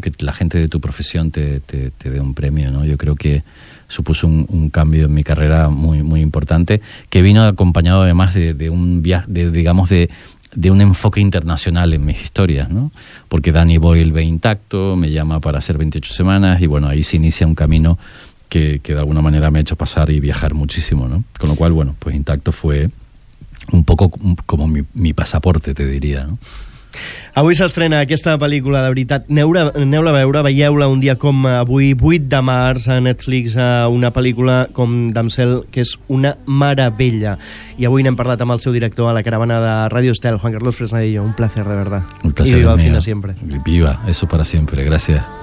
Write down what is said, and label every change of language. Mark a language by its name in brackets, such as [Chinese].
[Spanish] Que la gente de tu profesión te dé un premio, ¿no? Yo creo que supuso un cambio en mi carrera muy muy importante, que vino acompañado además de un viaje, de un enfoque internacional en mis historias, ¿no? Porque Danny Boyle ve Intacto, me llama para hacer 28 semanas y bueno, ahí se inicia un camino que de alguna manera me ha hecho pasar y viajar muchísimo, ¿no? Con lo cual, bueno, pues Intacto fue un poco como mi pasaporte, te diría, ¿no? [Catalan] Avui s'estrena aquesta pel·lícula, de veritat, aneu-la a veure, veieu-la un dia com avui, 8 de març, a Netflix, una pel·lícula com Damsel, que és una meravella. I avui n'hem parlat amb el seu director a la caravana de Ràdio Estel, Juan Carlos Fresnadillo. [Spanish] Un placer, de verdad. Un placer, [Catalan] i viva el cine sempre. [Spanish] Viva, eso para siempre, gracias.